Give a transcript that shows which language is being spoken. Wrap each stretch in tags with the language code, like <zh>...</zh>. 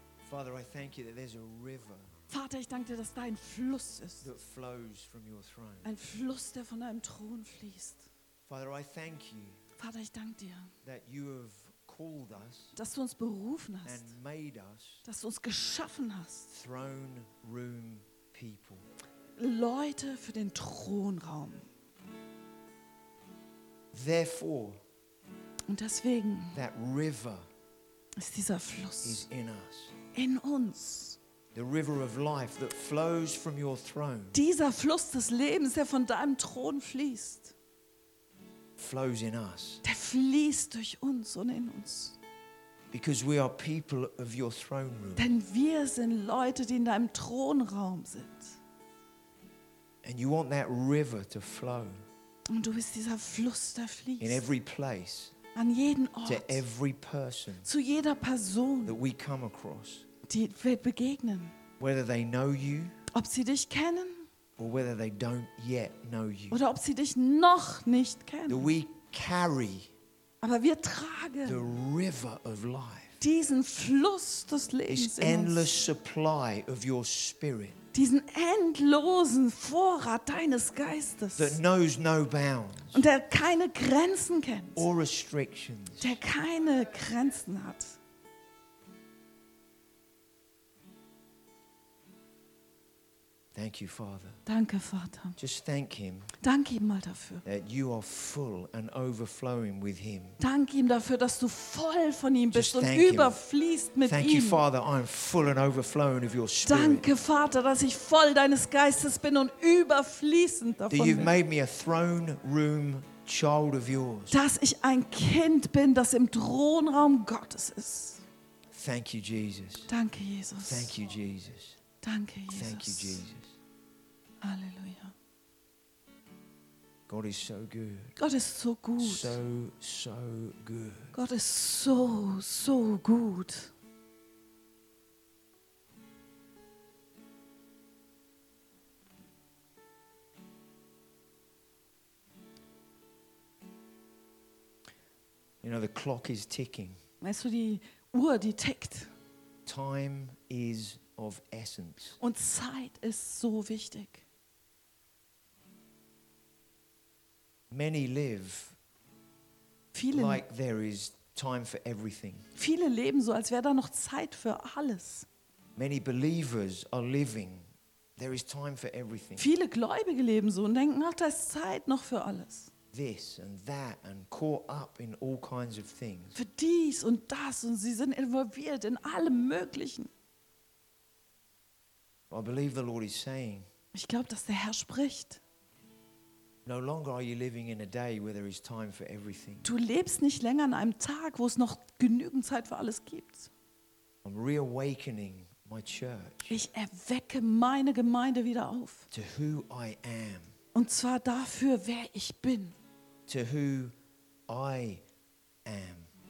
<en>Father, I thank you that there's a river.</en> <de>Vater, ich danke dir, dass da ein Fluss ist.</de> <en>That flows from your throne.</en> <de>Ein Fluss, der von deinem Thron fließt.</de> <en>Father, I thank you.</en> <de>Vater, ich danke dir,</de> <en>that you have called us,</en> <de>dass du uns berufen hast,</de> <en>and made us,</en> <de>dass du uns geschaffen hast,</de> <en>throne room people,</en> <de>Leute für den Thronraum.</de> <en>Therefore,</en> <de>und deswegen,</de> <en>that river</en> <de>ist dieser Fluss</de> <en>is in us,</en> <de>in uns.</de> <en>The river of life that flows from your throne.</en> <de>Dieser Fluss des Lebens, der von deinem Thron fließt.</de> <en>Flows in us.</en> <de>Der fließt durch uns und in uns.</de> <en>Because we are people of your throne room.</en> <de>Denn wir sind Leute, die in deinem Thronraum sind.</de> <en>And you want that river to flow.</en> <de>Und du bist dieser Fluss, der fließt.</de> <en>In every place.</en> <de>An jeden Ort.</de> <en>To every person.</en> <de>Zu jeder Person.</de> <en>That we come across.</en> <de>Die wird begegnen.</de> <en>Whether they know you,</en> <de>ob sie dich kennen.</de> <en>Or whether they don't yet know you,</en> <de>oder ob sie dich noch nicht kennen.</de> <en>That we carry,</en> <de>aber wir tragen</de> <en>the river of life,</en> <de>diesen Fluss des Lebens,</de> <en>this endless supply of your spirit,</en> <de>diesen endlosen Vorrat deines Geistes,</de> <en>that knows no bounds,</en> <de>und der keine Grenzen kennt,</de> <en>or restrictions,</en> <de>der keine Grenzen hat.</de> <en>Thank you, Father.</en> <de>Danke, Vater.</de> <en>Just thank him.</en> <de>Danke ihm mal dafür.</de> <en>That you are full and overflowing with him.</en> <de>Danke ihm dafür, dass du voll von ihm bist und überfließt mit ihm.</de> <en>Thank you, Father, I'm full and overflowing of your spirit.</en> <de>Danke, Vater, dass ich voll deines Geistes bin und überfließend davon bin.</de> <en>You've made me a throne room child of yours.</en> <de>Dass ich ein Kind bin, das im Thronraum Gottes ist.</de> <en>Thank you, Jesus.</en> <de>Danke, Jesus.</de> <en>Thank you, Jesus.</en> <de>Danke, Jesus.</de> <en>Thank you, Jesus.</en> <de>Halleluja.</de> <en>God is so good.</en> <de>Gott ist so gut.</de> <en>So, so good.</en> <de>Gott ist so, so gut.</de> <en>You know, the clock is ticking.</en> <de>Weißt du, die Uhr, die tickt.</de> <en>Time is of essence.</en> <de>Und Zeit ist so wichtig.</de> <en>Many live</en> <de>viele,</de> <en>like there is time for everything.</en> <de>Viele leben so, als wäre da noch Zeit für alles.</de> <en>Many believers are living, there is time for everything.</en> <de>Viele Gläubige leben so und denken, ach, da ist Zeit noch für alles.</de> <en>This and that and caught up in all kinds of things.</en> <de>Für dies und das und sie sind involviert in allem Möglichen.</de> <en>I believe the Lord is saying,</en> <de>ich glaube, dass der Herr spricht.</de> <en>No longer are you living in a day where there is time for everything.</en> <de>Du lebst nicht länger an einem Tag, wo es noch genügend Zeit für alles gibt.</de> <en>I'm reawakening my church.</en> <de>Ich erwecke meine Gemeinde wieder auf.</de> <en>To who I am.</en> <de>Und zwar dafür, wer ich bin.</de> <en>To who I am.</en>